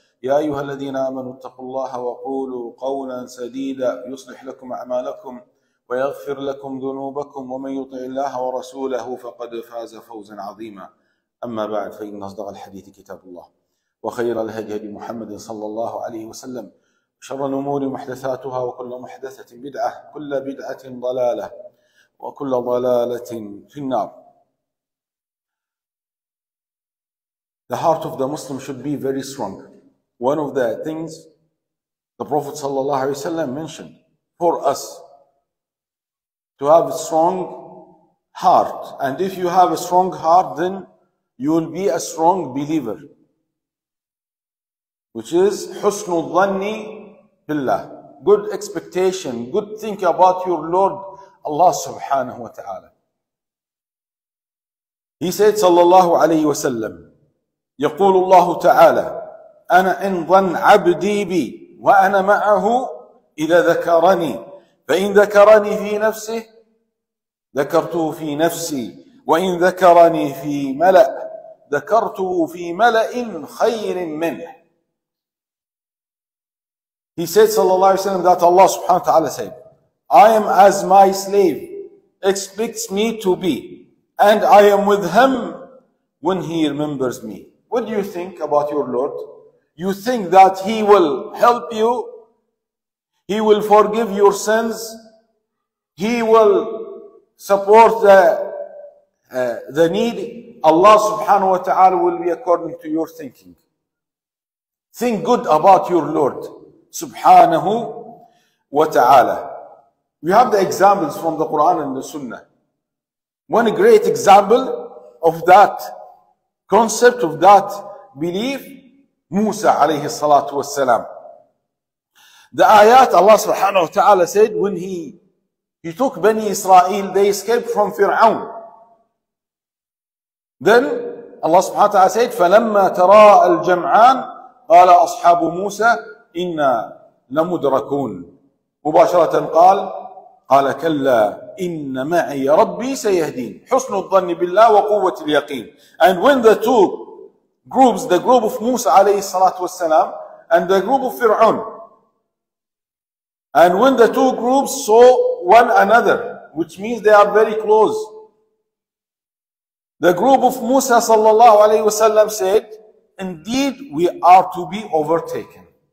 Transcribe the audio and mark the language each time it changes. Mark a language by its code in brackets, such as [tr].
[ar] يا أيها الذين آمنوا اتقوا الله وقولوا قولا سديدا يصلح لكم أعمالكم ويغفر لكم ذنوبكم، ومن يطع الله ورسوله فقد فاز فوزا عظيما. أما بعد، فإن أصدق الحديث كتاب الله، وخير الهدي هدي محمد صلى الله عليه وسلم، شر الأمور محدثاتها، وكل محدثة بدعة، كل بدعة ضلالة، وكل ضلالة في النار. [en] The heart of the Muslim should be very strong. One of the things the Prophet [ar] صلى الله عليه وسلم [en] mentioned for us to have a strong heart. And if you have a strong heart, then you will be a strong believer. Which is [ar] حسن الظن بالله. [en] Good expectation, good think about your Lord, Allah subhanahu wa ta'ala. He said, [ar] صلى الله عليه وسلم, يقول الله تعالى, أنا إن ظن عبدي بي وأنا معه إذا ذكرني, فإن ذكرني في نفسه ذكرته في نفسي, وإن ذكرني في ملأ ذكرته في ملأ خير منه. [en] He said, sallallahu alayhi wa sallam, that Allah subhanahu wa ta'ala said, I am as my slave expects me to be, and I am with him when he remembers me. What do you think about your Lord? You think that he will help you? He will forgive your sins? He will support the need? Allah subhanahu wa ta'ala will be according to your thinking. Think good about your Lord. [ar] سبحانه وتعالى. [en] We have the examples from the Quran and the Sunnah. One great example of that concept, of that belief, [ar] موسى عليه الصلاة والسلام. [en] The ayat Allah [ar] سبحانه وتعالى [en] said when he took Bani Israel, they escaped from Fir'aun. Then Allah [ar] سبحانه وتعالى [en] said, [ar] فلما تراء الجمعان قال أصحاب موسى إنا لمدركون. مباشرة قال كلا إن معي ربي سيهدين. حسن الظن بالله وقوة اليقين. [en] And when the two groups, the group of Musa [ar] عليه الصلاة والسلام [en] and the group of Fir'aun, and when the two groups saw one another, which means they are very close, the group of Musa [ar] صلى الله عليه وسلم [en] said, indeed we are to be overtaken.